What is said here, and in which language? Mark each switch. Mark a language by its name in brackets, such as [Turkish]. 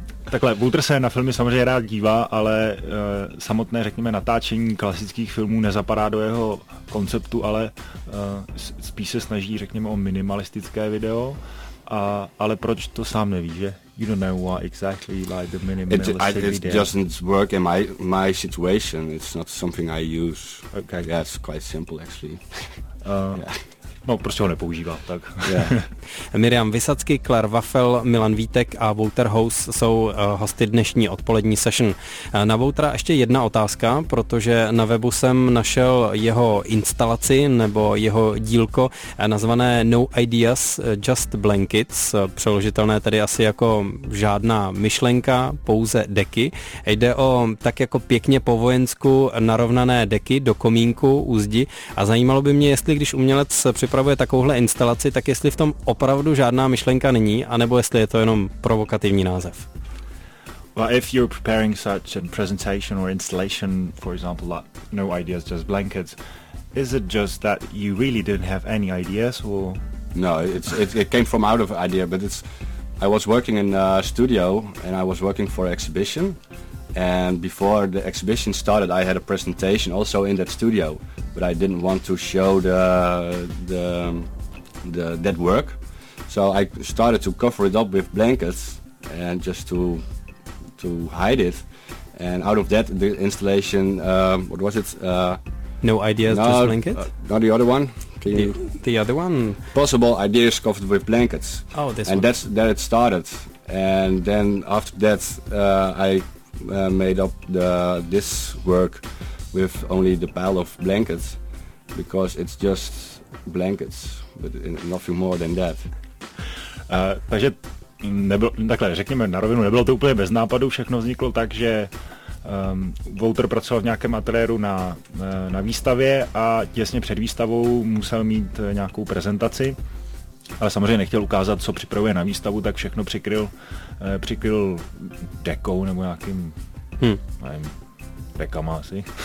[Czech] Takhle, Wouter se na filmy samozřejmě rád dívá, ale samotné, řekněme, natáčení klasických filmů nezapadá do jeho konceptu, ale spíš se snaží, řekněme, o minimalistické video. Ale proč, to sám neví, že? [English] You don't know what exactly like the minimalistic video. It doesn't work in my situation. It's not something I use. Okay. Yeah, it's quite simple, actually. [Czech] No, prostě ho nepoužívám, tak. [English] Yeah. [Czech] Miriam Vysacky, Claire Waffel, Milan Vítek a Wouter Haus jsou hosty dnešní odpolední session. Na Woutera ještě jedna otázka, protože na webu jsem našel jeho instalaci nebo jeho dílko nazvané No Ideas, Just Blankets, přeložitelné tedy asi jako žádná myšlenka, pouze deky. Jde o tak jako pěkně po vojensku narovnané deky do komínku u zdi a zajímalo by mě, jestli když umělec připravuje takovouhle instalaci, tak jestli v tom opravdu žádná myšlenka není, anebo jestli je to jenom provokativní název. [English] Well, if you're preparing such a presentation or installation, for example, like No Ideas, Just Blankets, is it just that you really didn't have any ideas, or? No, it came from out of idea, but it's, I was working in a studio and I was working for an exhibition. And before the exhibition started, I had a presentation also in that studio, but I didn't want to show the that work. So I started to cover it up with blankets and just to hide it. And out of that, the installation, what was it? No Ideas, no, Just Blankets? Not the other one. The other one? Possible Ideas Covered with Blankets. Oh, this and And that's that it started. And then after that, I made up this work with only the pile of blankets, because it's just blankets, but nothing more than that. [Czech] Takže nebylo, takhle řekněme na rovinu, nebylo to úplně bez nápadu, všechno vzniklo tak, že Wouter pracoval v nějakém ateliéru na výstavě a těsně před výstavou musel mít nějakou prezentaci, ale samozřejmě nechtěl ukázat, co připravuje na výstavu, tak všechno přikryl dekou nebo nějakým nevím, dekama asi.